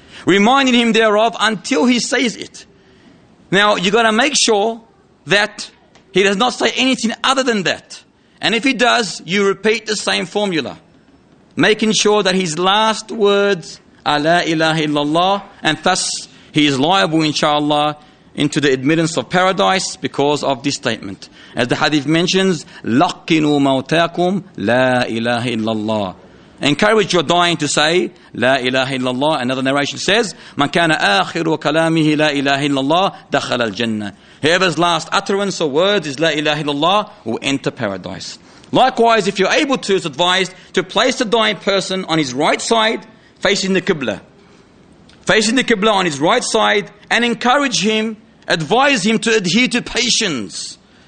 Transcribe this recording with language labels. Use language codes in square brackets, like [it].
[en] Reminding him thereof until he says it. Now, you got to make sure that he does not say anything other than that. And if he does, you repeat the same formula, making sure that his last words are [ar] la ilaha illallah, [en] and thus he is liable, inshallah, into the admittance of paradise because of this statement. As the hadith mentions, [ar] لَقِّنُوا مَوْتَاكُمْ لَا إِلَٰهِ إِلَّا اللَّهِ. [en] Encourage your dying to say, [ar] لَا إِلَٰهِ إِلَّا اللَّهِ. [en] Another narration says, [ar] مَنْ كَانَ آخِرُ وَكَلَامِهِ لَا إِلَٰهِ إِلَّا اللَّهِ دَخَلَ الْجَنَّةِ. [en] Whoever's last utterance or words is [ar] لَا إِلَٰهِ إِلَّا اللَّهِ [en] will enter paradise. Likewise, if you're able to, it's advised to place the dying person on his right side, facing the Qibla. Facing the Qibla on his right side, and encourage him, advise him to adhere to patience.